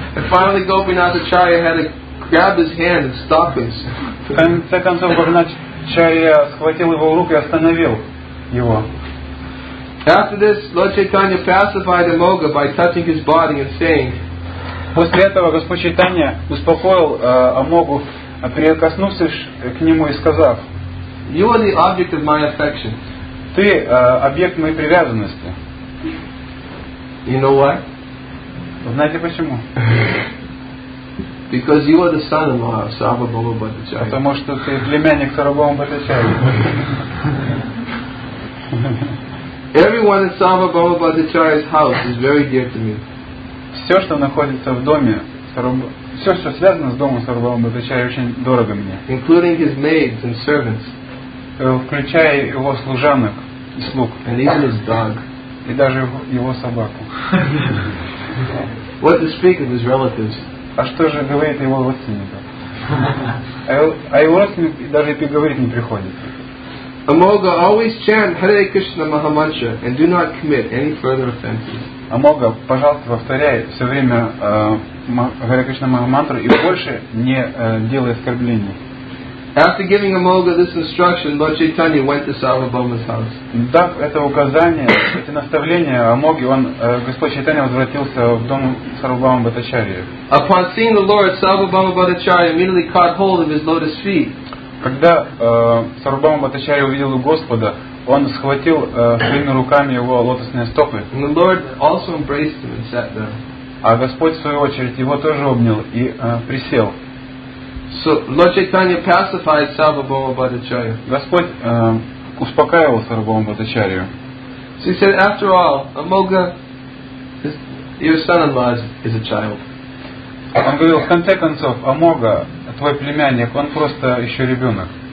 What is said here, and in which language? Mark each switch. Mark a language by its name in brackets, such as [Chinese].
[English] Finally, Gopinath Acharya had to grab his hand and stop him. [Russian] В конце концов, Gopinath Acharya схватил его руку и остановил его. [English] After this, Lord Chaitanya pacified Amoga by touching his body and saying, [Russian] после этого Господь Чайтанья успокоил Амогу, прикоснувшись к нему и сказав, [English] you are the object of my affection. [Russian] Ты объект моей привязанности. [English] You know why? [Russian] Знаете почему? [English] Because you are the son of Maharaj Sarvabhauma Bhattacharya. [Russian] Потому что ты племянник Сарвабхаума Бхаттачарьи. [English] Everyone in Sarvabhauma Bhattacharya's house is very dear to me. [Russian] Все, что находится в доме, все, что связано с домом Сарвабхаума Бхаттачарьи, очень дорого мне. [English] Including his maids and servants. [Russian] Включая его служанок и слуг. [English] And even his dog. [Russian] И даже его собаку. [English] What to speak of his relatives? [Russian] А что же говорит его родственникам? А его родственник даже и говорить не приходит. [English] Amoga, always chant Hare Krishna Mahamantra and do not commit any further offenses. [Russian] Amoga, пожалуйста, повторяй все время Hare Krishna Mahamantra и больше не делай оскорблений. [English] After giving Amoga this instruction, Lord Chaitanya went to Sarvabhauma's house. [Russian] Дав это указание, это наставление Амоге, он, Господь Чайтанья возвратился в дом Сарвабхаума Бхаттачарьи. [English] Upon seeing the Lord, Sarvabhauma Bhattacharya immediately caught hold of his lotus feet. [Russian] Когда Сарвабхаума Бхаттачарья увидел Господа, он схватил своими руками его лотосные стопы. [English] And the Lord also embraced him and sat down. [Russian] А Господь, в свою очередь, его тоже обнял и присел. [English] So Lord Chaitanya pacified Sarvabhauma Bhattacharya. [Russian] Господь успокаивал Сарвабхаума Бхаттачарью. [English] So he said, after all, Amoga, your son-in-law is a child. [Russian] Он говорил, в конце концов, Амога, твой племянник, он просто еще ребенок.